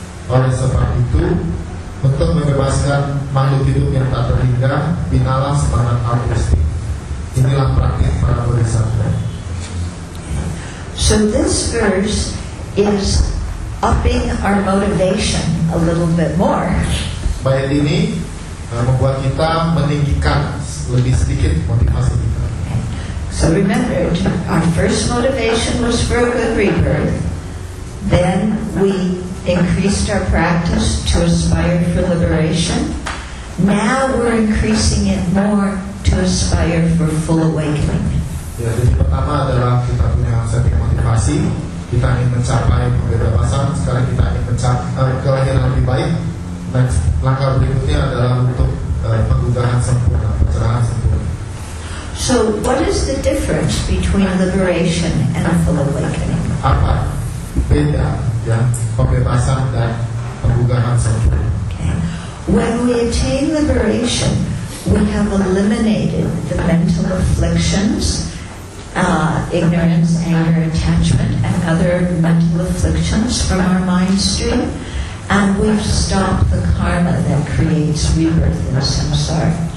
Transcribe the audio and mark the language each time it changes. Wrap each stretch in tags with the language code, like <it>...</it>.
<id>Oleh sebab itu, untuk membebaskan makhluk hidup yang tak terhingga, binalah semangat altruistik. Inilah praktik para bodhisattva.</id> <en>So this verse is upping our motivation a little bit more.</en> <id>Bayat ini membuat kita meninggikan lebih sedikit motivasi kita.</id> <en>So remember, our first motivation was for a good rebirth. Then we increased our practice to aspire for liberation. Now we're increasing it more to aspire for full awakening.</en> <id>Ya, jadi pertama adalah kita punya setting motivasi, kita ingin mencapai kebebasan, sekarang kita ingin mencapai kelahiran lebih baik. Next, langkah berikutnya adalah untuk pengudahan sempurna, pencerahan sempurna.</id> <en>So, what is the difference between liberation and full awakening?</en> <id>Apa beda ya, kebebasan dan pengudahan sempurna?</id> <en>Okay. When we attain liberation, we have eliminated the mental afflictions, ignorance, anger, attachment, and other mental afflictions from our mind stream, and we've stopped the karma that creates rebirth in samsara.</en>